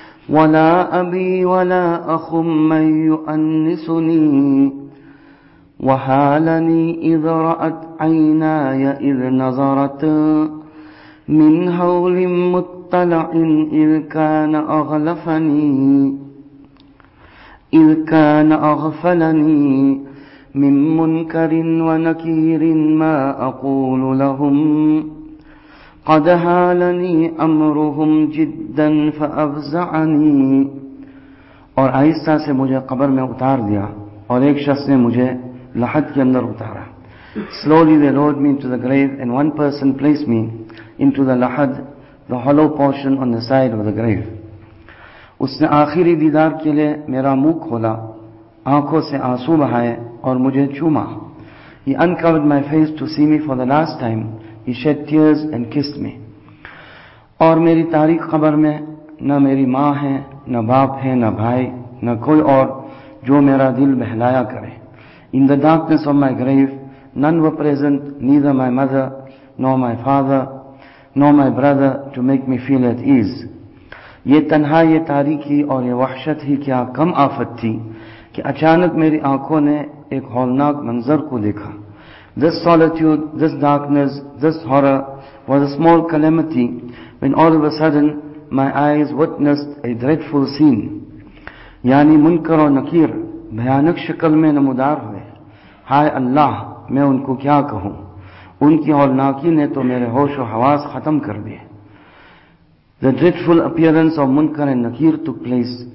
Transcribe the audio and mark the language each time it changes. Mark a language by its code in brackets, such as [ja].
[ar] ولا أبي ولا أخ من يؤنسني وهالني إذ رأت عيناي إذ نظرت من هول مطلع إذ كان أغلفني إذ كان أغفلني من منكر ونكير ما أقول لهم قد هالني أمرهم جدا فأفزعني. [ur] اور آہستہ سے مجھے قبر میں اتار دیا اور ایک شخص نے مجھے لحد کے اندر اتارا. [en] Slowly they lowered me into the grave and one person placed me into the lahad, the hollow portion on the side of the grave. [ur] اس نے آخری دیدار کے لیے میرا منہ کھولا, آنکھوں سے آنسو بہائے اور مجھے چوما. [en] He uncovered my face to see me for the last time. He shed tears and kissed me. [ur] اور میری تاریخ قبر میں نہ میری ماں ہے, نہ باپ ہے, نہ بھائی, نہ کوئی اور جو میرا دل بہلایا کرے. [en] In the darkness of my grave, none were present, neither my mother, nor my father, nor my brother, to make me feel at ease. [ur] یہ تنہا, یہ تاریکی اور یہ وحشت ہی کیا کم آفت تھی کہ اچانک میری آنکھوں نے ایک ہولناک منظر کو دیکھا. [en] This solitude, this darkness, this horror was a small calamity when all of a sudden my eyes witnessed a dreadful scene. [ur] یعنی منکر اور نکیر بھیانک شکل میں نمودار ہوئے. ہائے اللہ, میں ان کو کیا کہوں, ان کی ہولناکی نے تو میرے ہوش و حواس ختم کر دیے. [en] The dreadful appearance of Munkar and Nakir took place.